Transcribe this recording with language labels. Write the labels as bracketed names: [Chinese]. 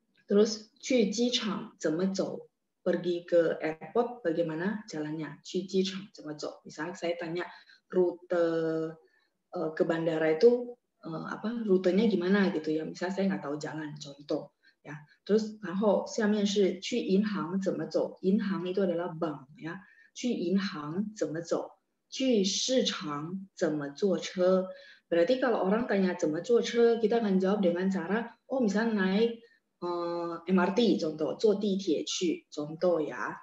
[Indonesian] Terus, [Chinese] 去机场, 怎么走, [Indonesian] pergi ke airport, bagaimana jalannya. [Chinese] 去机场, 怎么走. [Indonesian] Misalnya saya tanya, rute ke bandara itu, apa rutenya gimana gitu ya. Misalnya saya nggak tahu jalan, contoh. Ya. Terus, [Chinese] 然后, 下面是, 去银行, 怎么走. [Indonesian] 银行 itu adalah bank. [Chinese] Ya. 去银行, 怎么走.去市场, 怎么坐车. [Indonesian] Berarti kalau orang tanya cemecoce, kita akan jawab dengan cara, oh misalnya naik MRT, contoh, [Chinese] 坐地铁去, [Indonesian] contoh ya.